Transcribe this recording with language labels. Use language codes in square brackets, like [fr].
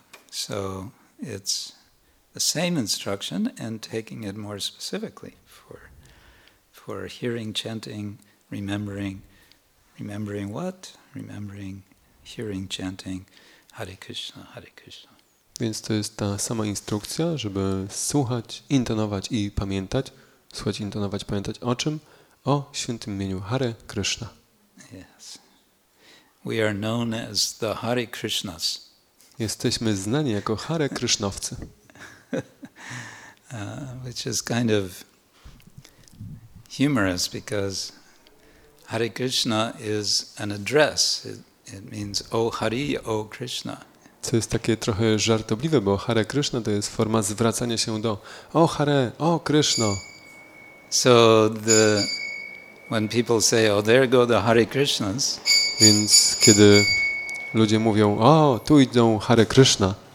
[en] So it's the same instruction and taking it more specifically for hearing, chanting, remembering what? Remembering, hearing, chanting, Hare Krishna, Hare Krishna. [pl] Więc to jest ta sama instrukcja, żeby słuchać, intonować i pamiętać. Słuchać, intonować, pamiętać o czym? O świętym imieniu Hare Krishna. [en] Yes. We are known as the Hare Krishnas. [pl] Jesteśmy znani jako Hare Krishnowcy. [en] Which is kind of humorous because Hare Krishna is an address. It means O Hari, O Krishna. [pl] Co jest takie trochę żartobliwe, bo Hare Krishna to jest forma zwracania się do O Hare, O Krishna. [en] So the when people say, oh, there go the Hare Krishnas. [pl] Więc kiedy ludzie mówią, o, tu idą Hare Krishna.